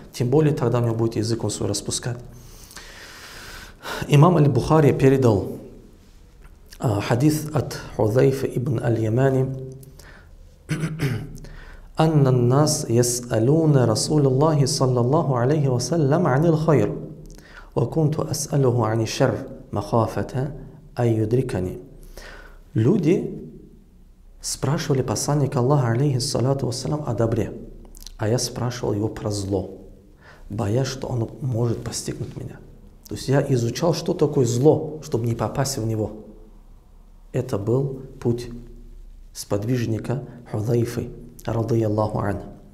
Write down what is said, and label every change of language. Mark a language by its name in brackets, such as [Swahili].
[Russian] Тем более тогда у него будет язык он свой распускать. Имам аль-Бухари передал хадис от Хузайфа ибн аль-Ямани. [Arabic] «Анна нас яс'алуна Расулаллахи саллаллаху алейхи вассалям анил хайр». وَكُنْتُ أَسْأَلُهُ عَنِ شَرْ مَخَافَةَ أَنْ يُدْرِكَنِي. [Russian] Люди спрашивали посланника Аллаха, алейхи салату вассалям, о добре, а я спрашивал его про зло, боясь, что оно может постигнуть меня. То есть я изучал, что такое зло, чтобы не попасть в него. Это был путь сподвижника Хузайфы, радийаллаху анху.